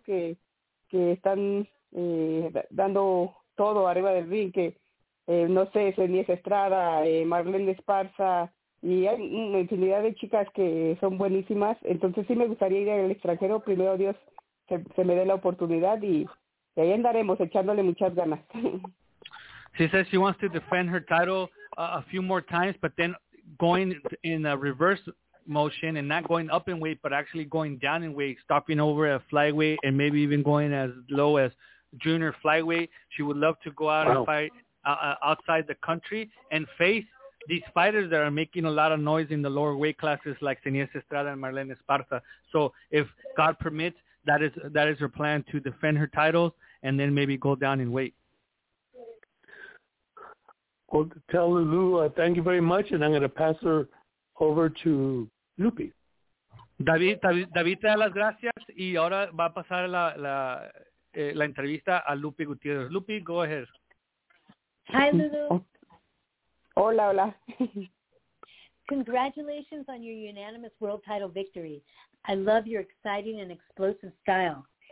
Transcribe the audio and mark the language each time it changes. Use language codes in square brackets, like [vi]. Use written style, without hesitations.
[es] Que están dando todo arriba del ring, que no sé, Zenies Estrada, Marlene Esparza, y hay una infinidad de chicas que son buenísimas. Entonces sí me gustaría ir al extranjero, primero Dios. se me dé la oportunidad y ahí andaremos echándole muchas ganas. [en] She says she wants to defend her title a few more times, but then going in a reverse motion and not going up in weight, but actually going down in weight, stopping over at flyweight and maybe even going as low as junior flyweight. She would love to go out and fight outside the country and face these fighters that are making a lot of noise in the lower weight classes like Zeniez Estrada and Marlene Esparza. So if God permits, that is her plan, to defend her titles and then maybe go down in weight. Well, tell Lulu, thank you very much, and I'm going to pass her over to Lupi. [es] David, te da las gracias, y ahora va a pasar la entrevista a Lupi Gutierrez. [en] Lupi, go ahead. Hi, Lulu. [es] Hola, hola. [en] Congratulations on your unanimous world title victory. I love your exciting and explosive style.